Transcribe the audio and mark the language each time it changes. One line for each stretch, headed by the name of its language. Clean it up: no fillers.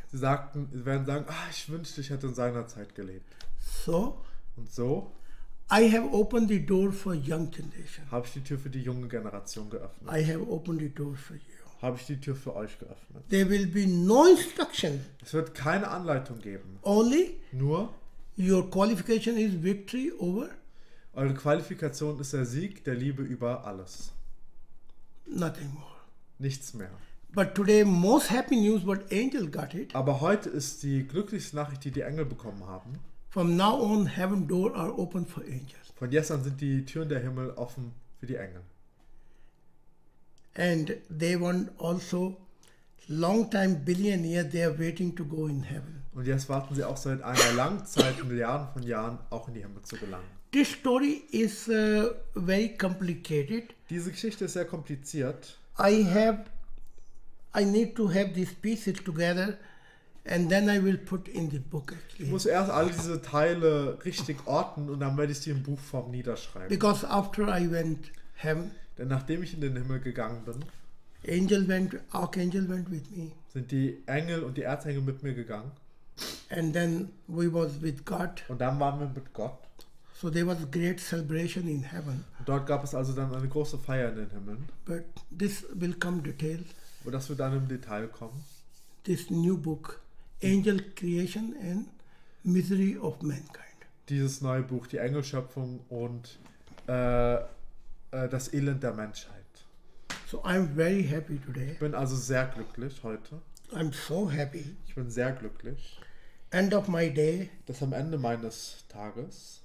German: Sie sagten, werden sagen, ah, ich wünschte, ich hätte in seiner Zeit gelebt.
English: So?
German: Und so?
English: I have opened the door for young generation.
German: Habe ich die Tür für die junge Generation geöffnet?
English: I have opened the door for you.
German: Habe ich die Tür für euch geöffnet?
English: There will be no instruction.
German: Es wird keine Anleitung geben.
English: Only?
German: Nur?
English: Your qualification is victory over?
German: Eure Qualifikation ist der Sieg der Liebe über alles.
English: Nothing more.
German: Nichts mehr.
English: But today most happy news what angel got it.
German: Aber heute ist die glücklichste Nachricht, die die Engel bekommen haben.
English: From now on, heaven door are open for angels.
German: Von jetzt an sind die Türen der Himmel offen für die Engel.
English: And they want also long time billionaire, they are waiting to go in heaven.
German: Und jetzt warten sie auch seit einer langen Zeit, Milliarden von Jahren, auch in die Himmel zu gelangen.
English: This story is very complicated.
German: Diese Geschichte ist sehr kompliziert.
English: I need to have these pieces together. And then I will put in the book. Actually.
German: Ich muss erst all diese Teile richtig ordnen und dann werde ich sie in Buchform niederschreiben.
English: Because after I went heaven,
German: denn nachdem ich in den Himmel gegangen bin,
English: Angel went, Archangel went with me.
German: Sind die Engel und die Erzengel mit mir gegangen.
English: And then we was with God.
German: Und dann waren wir mit Gott.
English: So there was a great celebration in heaven.
German: Und dort gab es also dann eine große Feier in den Himmeln.
English: But this will come detail.
German: Und das wird dann im Detail kommen.
English: This new book, Angel Creation and Misery of Mankind.
German: Dieses neue Buch, die Engelschöpfung und das Elend der Menschheit.
English: So I'm very happy today.
German: Ich bin also sehr glücklich heute.
English: I'm so happy.
German: Ich bin sehr glücklich.
English: End of my day.
German: Dass am Ende meines Tages.